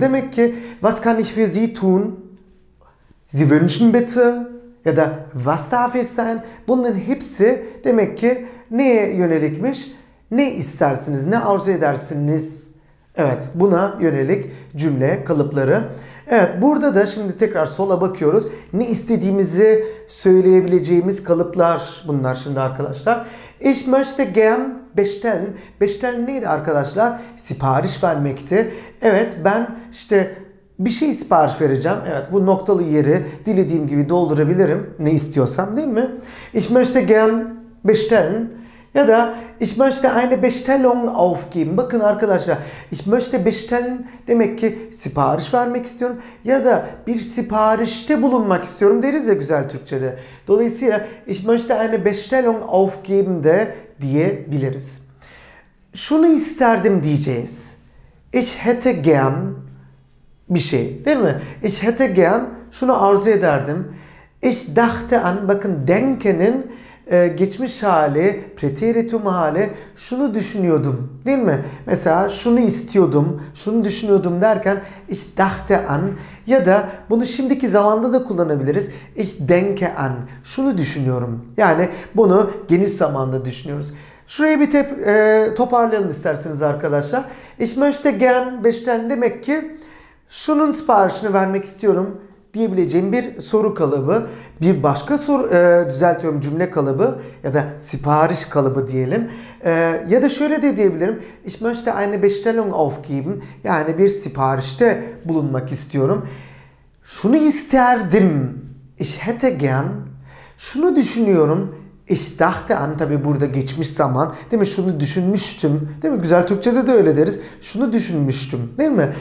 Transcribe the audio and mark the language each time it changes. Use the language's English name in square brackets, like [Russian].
[Turkish] Demek ki [German] was kann ich für Sie tun, Sie wünschen bitte [Turkish] ya da [German] was darf es sein, [Turkish] bunların hepsi demek ki neye yönelikmiş, ne istersiniz, ne arzu edersiniz, evet buna yönelik cümle kalıpları. Evet, burada da şimdi tekrar sola bakıyoruz. Ne istediğimizi söyleyebileceğimiz kalıplar bunlar şimdi arkadaşlar. [German] Ich möchte gern bestellen. [Turkish] Bestellen neydi arkadaşlar? Sipariş vermekti. Evet, ben işte bir şey sipariş vereceğim. Evet, bu noktalı yeri dilediğim gibi doldurabilirim. Ne istiyorsam değil mi? [German] Ich möchte gern bestellen. [Turkish] Ya da [German] ich möchte eine Bestellung aufgeben. [Turkish] Bakın arkadaşlar, [German] ich möchte bestellen [Turkish] demek ki sipariş vermek istiyorum ya da bir siparişte bulunmak istiyorum deriz ya güzel Türkçede. Dolayısıyla [German] ich möchte eine Bestellung aufgeben [Turkish] de diyebiliriz. Şunu isterdim diyeceğiz. [German] Ich hätte gern [Turkish] bir şey, değil mi? [German] Ich hätte gern [Turkish] şunu arzu ederdim. [German] Ich dachte an, [Turkish] bakın denken'in geçmiş hali, preteritum hali, şunu düşünüyordum değil mi? Mesela şunu istiyordum, şunu düşünüyordum derken [German] ich dachte an [Turkish] ya da bunu şimdiki zamanda da kullanabiliriz. [German] Ich denke an, [Turkish] şunu düşünüyorum. Yani bunu geniş zamanda düşünüyoruz. Şurayı bir toparlayalım isterseniz arkadaşlar. [German] Ich möchte gern bestellen [Turkish] demek ki şunun siparişini vermek istiyorum diyebileceğim bir soru kalıbı, bir başka soru, düzeltiyorum cümle kalıbı ya da sipariş kalıbı diyelim. Ya da şöyle de diyebilirim. [German] Ich möchte eine Bestellung aufgeben. [Turkish] Yani bir siparişte bulunmak istiyorum. Şunu isterdim. [German] Ich hätte gern. [Turkish] Şunu düşünüyorum. [German] Ich dachte an, [Turkish] tabii burada geçmiş zaman, değil mi? Şunu düşünmüştüm, değil mi? Güzel Türkçe'de de öyle deriz. Şunu düşünmüştüm, değil mi?